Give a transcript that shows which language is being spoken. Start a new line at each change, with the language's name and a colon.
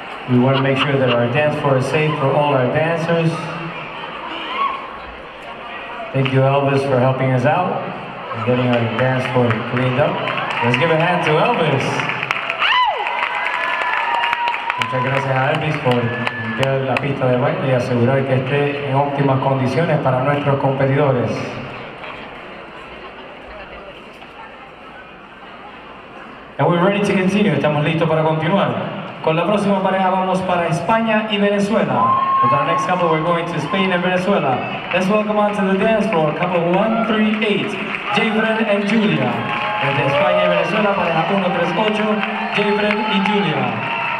English: We want to make sure that our dance floor is safe for all our dancers. Thank you, Elvis, for helping us out and getting our dance floor cleaned up. Let's give a hand to Elvis.
Spanish: Muchas gracias a Elvis por limpiar la pista de baile y asegurar que esté en óptimas condiciones para nuestros competidores.
English: And we're ready to continue.
Spanish: Estamos listos para continuar. Con la próxima pareja vamos para España y Venezuela.
English: With our next couple, we're going to Spain and Venezuela. Let's welcome onto the dance floor couple 138, Jayfred and Julia.
Spanish: Desde España y Venezuela, pareja 138, Jayfred y Julia.